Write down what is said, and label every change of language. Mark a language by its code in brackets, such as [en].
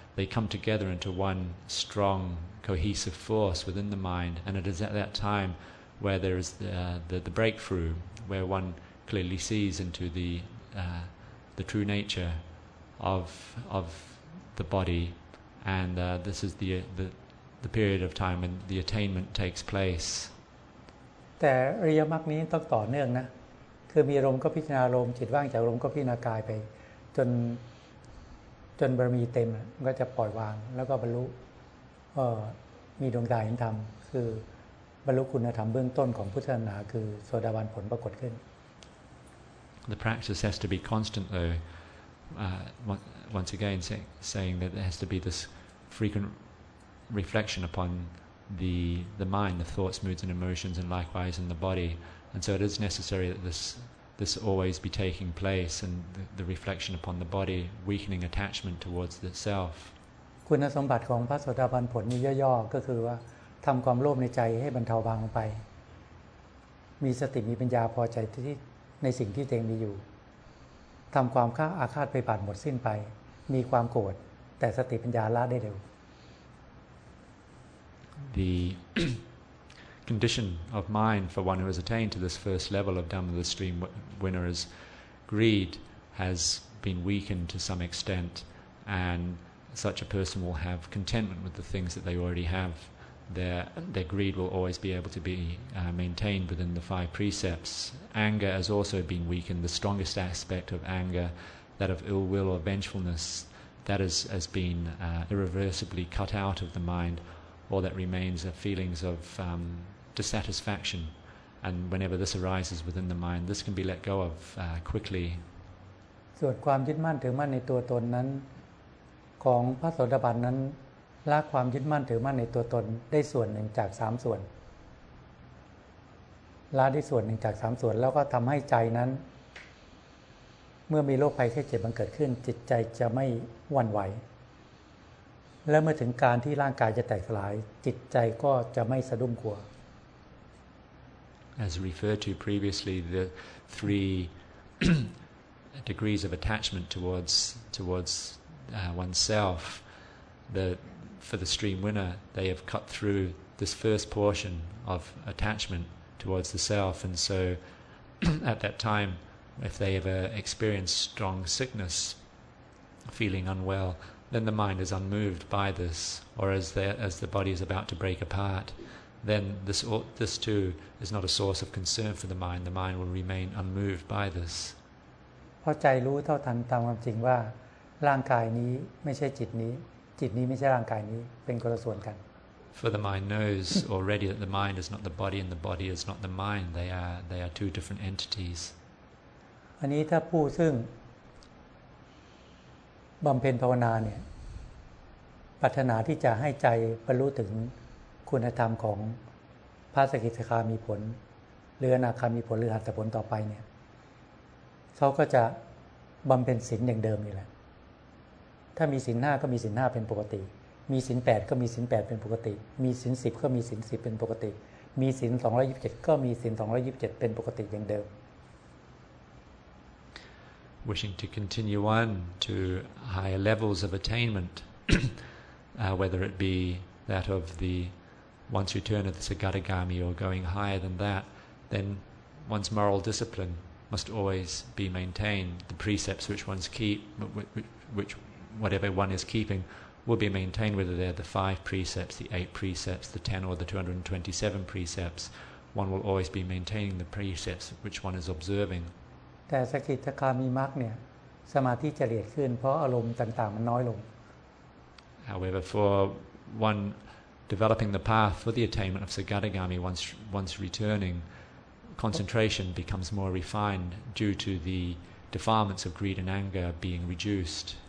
[en] They come together into one strong, cohesive force within the mind, and it is at that time where there is the breakthrough, where one clearly sees into the true nature of the body, and this is the period of time when the attainment takes place [th] แต่อริยมรรคนี้ต้องต่อเนื่องนะคือมีอารมณ์ก็พิจารณาอารมณ์จิตว่างจากอารมณ์ก็พิจารณากายไปจนบารมีเต็มมันก็จะปล่อยวางแล้วก็บรรลุมีดวงตาเห็นธรรมคือบรรลุคุณธรรมเบื้องต้นของพุทธศาสนาคือโสดาบันผลปรากฏขึ้น [en] The practice has to be constant though once again saying that there has to be this frequentReflection upon the mind, the thoughts, moods, and emotions, and likewise in the body, and so it is necessary that this always be taking place, and the reflection upon the body weakening attachment towards the self. [th] คุณสมบัติของพระโสดาบันผลนี้ย่อๆก็คือว่าทำความโลภในใจให้บรรเทาบางลงไปมีสติมีปัญญาพอใจที่ในสิ่งที่ตัวเองมีอยู่ทำความฆ่าอาฆาตไปบาดหมดสิ้นไปมีความโกรธแต่สติปัญญาละได้เร็ว [en] The condition of mind for one who has attained to this first level of Dhamma, the stream winner, is greed has been weakened to some extent, and such a person will have contentment with the things that they already have. Their greed will always be able to be maintained within the five precepts. Anger has also been weakened. The strongest aspect of anger, that of ill will or vengefulness, that has been irreversibly cut out of the mind. All that remains are feelings of dissatisfaction, and whenever this arises within the mind, this can be let go of quickly. [th] ส่วนความยึดมั่นถือมั่นในตัวตนนั้นของพระโสดาบันนั้นละความยึดมั่นถือมั่นในตัวตนได้ส่วนหนึ่งจากสามส่วนละได้ส่วนหนึ่งจากสามส่วนแล้วก็ทำให้ใจนั้นเมื่อมีโรคภัยไข้เจ็บบังเกิดขึ้นจิตใจจะไม่หวั่นไหวและเมื่อถึงการที่ร่างกายจะแตกสลายจิตใจก็จะไม่สะดุ้งกลัว [en] As referred to previously, the three degrees of attachment towards oneself, for the stream winner, they have cut through this first portion of attachment towards the self. And so at that time, if they ever experience strong sickness, feeling unwell, then the mind is unmoved by this, or as the body is about to break apart, then this too is not a source of concern for the mind. The mind will remain unmoved by this. [th] พอใจรู้เท่าทันตามความจริงว่าร่างกายนี้ไม่ใช่จิตนี้จิตนี้ไม่ใช่ร่างกายนี้เป็นคนละส่วนกัน [en] For the mind knows already that the mind is not the body and the body is not the mind. They are two different entities. [th] อันนี้ถ้าผู้ซึ่งบำเพ็ญภาวนาเนี่ยปรารถนาที่จะให้ใจบรรลุถึงคุณธรรมของพระสกิทาคามีผลหรืออนาคามีผลหรืออรหัตผลต่อไปเนี่ยเขาก็จะบำเพ็ญศีลอย่างเดิมนี่แหละถ้ามีศีล5ก็มีศีล5เป็นปกติมีศีล8ก็มีศีล8เป็นปกติมีศีล10ก็มีศีล10เป็นปกติมีศีล227ก็มีศีล227เป็นปกติอย่างเดิม [en] wishing to continue on to higher levels of attainment, whether it be that of the one's return of the Sagatagami or going higher than that, then one's moral discipline must always be maintained. The precepts which one's keep, which whatever one is keeping, will be maintained, whether they're the 5 precepts, the 8 precepts, the 10 or the 227 precepts. One will always be maintaining the precepts which one is observing. [th] แต่สกิทาคามีมรรคเนี่ยสมาธิจะละเอียดขึ้นเพราะอารมณ์ต่างๆมันน้อยลง [en] However for one developing the path for the attainment of Sagatagami once returning concentration becomes more refined due to the defilements of greed and anger being reduced